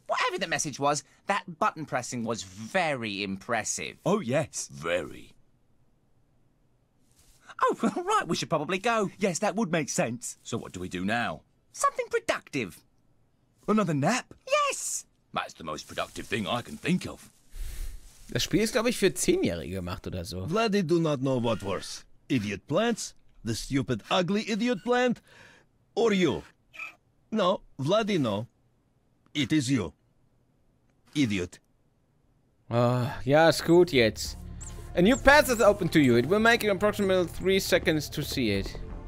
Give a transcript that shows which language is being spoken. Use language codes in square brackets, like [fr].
[en] Whatever the message was, that button pressing was very impressive. Oh, yes. Very. Oh, right, we should probably go. Yes, that would make sense. So what do we do now? Something productive. Another nap? Yes! That's the most productive thing I can think of. [de] Das Spiel ist, glaube ich, für 10-Jährige gemacht oder so. [en] Vladdy do not know what worse. Idiot plants? The stupid, ugly idiot plant? Or you? No, Vladdy no. It is you. Idiot. [de] Oh, ja, ist gut jetzt. [en] A new path is open to you. It will make you approximately 3 seconds to see it.